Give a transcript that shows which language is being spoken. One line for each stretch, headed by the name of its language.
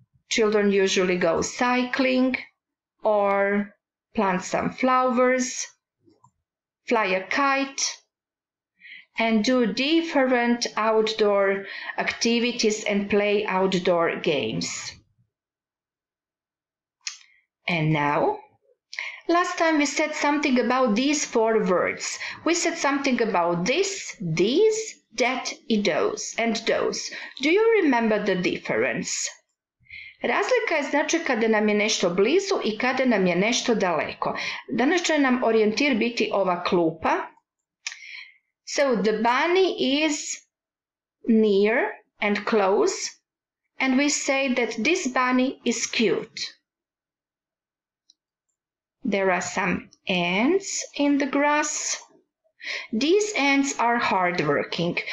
English: Children usually go cycling or plant some flowers, fly a kite, and do different outdoor activities and play outdoor games. And now, last time we said something about these four words. We said something about this, these, that, and those. Do you remember the difference?
Croatian: Razlika je znači kada nam je nešto blizu i kada nam je nešto daleko. Danas će nam orijentir biti ova klupa.
English: So, the bunny is near and close, and we say that this bunny is cute. There are some ants in the grass. These ants are hardworking.